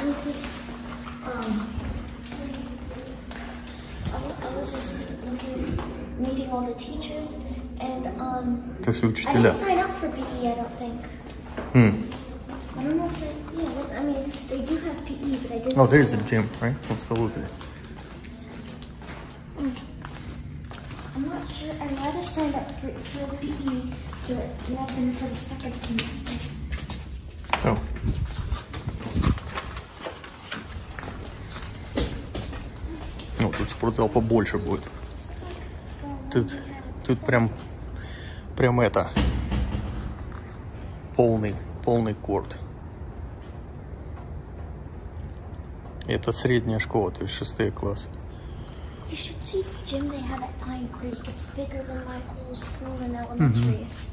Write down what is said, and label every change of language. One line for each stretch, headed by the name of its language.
English: I was just meeting all the teachers, and I didn't sign up for PE, I don't think. I don't know if they do have PE, but I didn't. Oh, there's the gym, right? Let's go look at it. I'm not sure. I might have signed up for PE, but not for the second semester.
Russian: Oh. Ну, тут спортзал побольше будет. Тут прям это полный корт. Это средняя школа, то есть шестой класс.
English: You should see the gym they have at Pine Creek. It's bigger than my whole school in elementary.